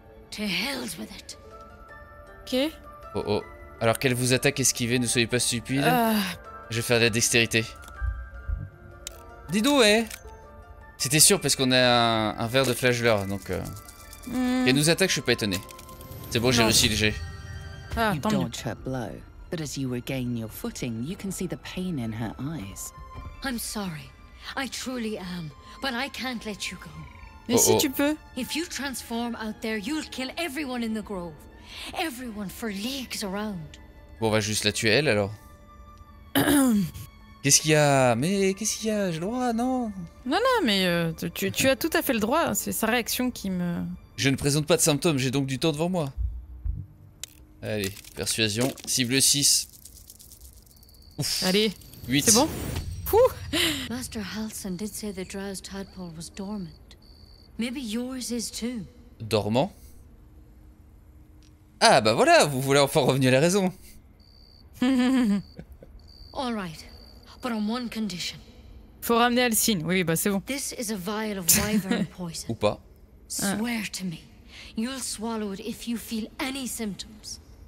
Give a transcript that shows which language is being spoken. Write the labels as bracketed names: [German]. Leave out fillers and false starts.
[English] To hell with it. Ok. Oh oh. [French] Alors qu'elle vous attaque, esquivez, ne soyez pas stupide. Je vais faire de la dextérité. Dis donc, ouais. C'était sûr, parce qu'on a un verre de flageleur, donc... Qu'elle nous attaque, je suis pas étonné. C'est bon, j'ai réussi le jet. [English] You dodge her blow, but as you regain your footing, you can see the pain in her eyes. I'm sorry, I truly am, but I can't let you go. [French] Mais si tu peux. [English] If you transform out there, you'll kill everyone in the grove, everyone for leagues around. [French] Bon, on va juste la tuer elle alors. Qu'est-ce qu'il y a? Mais qu'est-ce qu'il y a? J'ai le droit, non? Non, non, mais tu as tout à fait le droit. C'est sa réaction qui me. Je ne présente pas de symptômes, j'ai donc du temps devant moi. Allez, persuasion, cible 6. Ouf. Allez, 8. C'est bon. Ouh. [English] Master Halsen did say the drow's tadpole was dormant. Maybe yours is too. Dormant? [French] Ah bah voilà, vous voulez enfin revenir à la raison. [English] All right, but on one condition. [French] Faut ramener Alcine. Oui, bah c'est bon. [English] This is a vial of wyvern poison. [French] Ou pas. [English] Swear to me, you'll swallow it if you feel any symptoms.